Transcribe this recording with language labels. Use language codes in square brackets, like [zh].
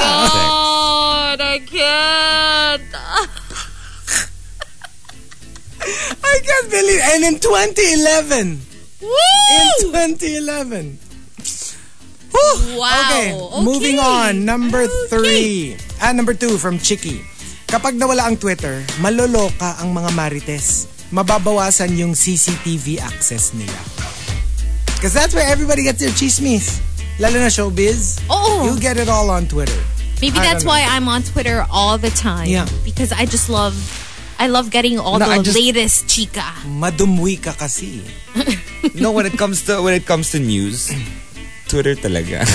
[en] God. I can't. I can't believe. And in 2011. Woo! In 2011. Wow. Okay. Moving on. Number three. And number two from Chicky. [tl] Kapag nawala ang Twitter, maloloka ang mga Marites. Mababawasan yung CCTV access nila. [en] Because that's where everybody gets their chismis. [tl] Lalo na showbiz. [en] Oh. You get it all on Twitter. Maybe that's why I'm on Twitter all the time. Yeah. Because I just love... I love getting all latest chika. [tl] Madumwi ka kasi. [en] No, when it comes to news, Twitter [tl] talaga.